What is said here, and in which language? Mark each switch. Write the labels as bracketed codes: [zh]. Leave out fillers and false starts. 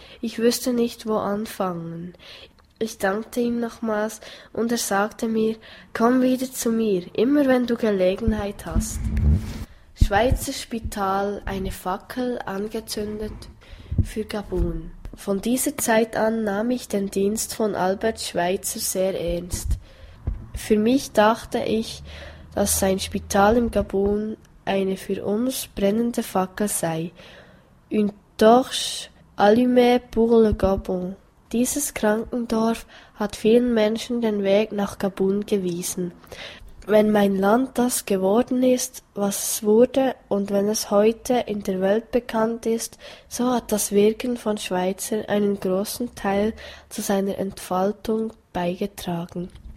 [de] Ich wüsste nicht, wo anfangen.« Ich dankte ihm nochmals und er sagte mir: »Komm wieder zu mir, immer wenn du Gelegenheit hast.« Schweizer Spital, eine Fackel angezündet für Gabun. Von dieser Zeit an nahm ich den Dienst von Albert Schweitzer sehr ernst. Für mich dachte ich, dass sein Spital in Gabun eine für uns brennende Fackel sei. [fr] Une torche allumée pour le Gabon. [de] Dieses Krankendorf hat vielen Menschen den Weg nach Gabun gewiesen. Wenn mein Land das geworden ist, was es wurde, und wenn es heute in der Welt bekannt ist, so hat das Wirken von Schweitzer einen großen Teil zu seiner Entfaltung beigetragen.